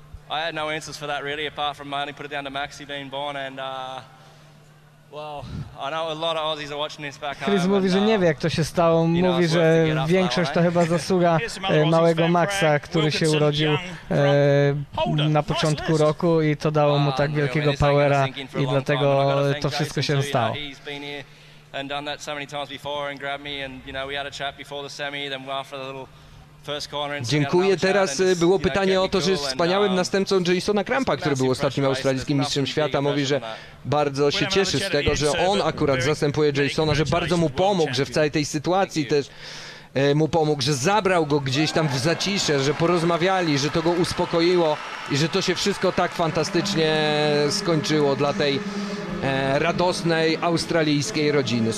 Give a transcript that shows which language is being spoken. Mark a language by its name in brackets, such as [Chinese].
[English] I had no answers for that really, apart from I only put it down to Maxi being born and I know a lot of Aussies are watching this back home. [Polish] Chris mówi, że nie wie, jak to się stało. Mówi, że większość to chyba zasługa małego Maxa, który się urodził na początku roku i to dało mu tak wielkiego powera i dlatego to wszystko się stało. [English] He's been here and done that so many times before and grabbed me and you know we had a chat before the semi, then after the little. [Polish] Dziękuję. Teraz było pytanie o to, że jest wspaniałym następcą Jasona Crumpa, który był ostatnim australijskim mistrzem świata. Mówi, że bardzo się cieszy z tego, że on akurat zastępuje Jasona, że bardzo mu pomógł, że w całej tej sytuacji też mu pomógł, że zabrał go gdzieś tam w zacisze, że porozmawiali, że to go uspokoiło i że to się wszystko tak fantastycznie skończyło dla tej radosnej australijskiej rodziny.